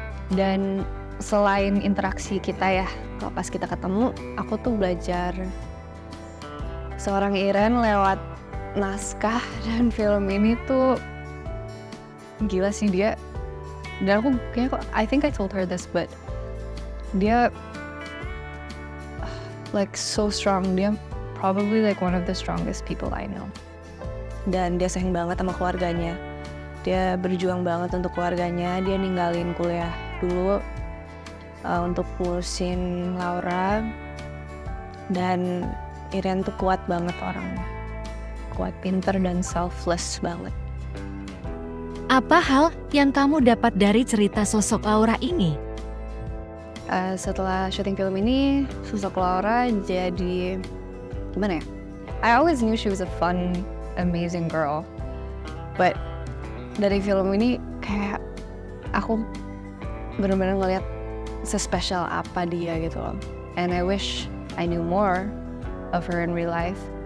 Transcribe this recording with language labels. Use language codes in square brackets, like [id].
[id] Dan selain interaksi kita ya, kalau pas kita ketemu, aku tuh belajar seorang Iren lewat naskah dan film ini tuh gila sih dia. Dan aku kayaknya, [en] I think I told her this, but dia like so strong, dia probably like one of the strongest people I know. [id] Dan dia sayang banget sama keluarganya. Dia berjuang banget untuk keluarganya, dia ninggalin kuliah dulu untuk ngurusin Laura. Dan Iren tuh kuat banget orangnya. Kuat, pinter, dan selfless banget. Apa hal yang kamu dapat dari cerita sosok Laura ini? Setelah syuting film ini, sosok Laura jadi gimana ya? [en] I always knew she was a fun, amazing girl. [id] But dari film ini kayak aku benar-benar ngeliat sespesial apa dia gitu loh. [en] And I wish I knew more of her in real life.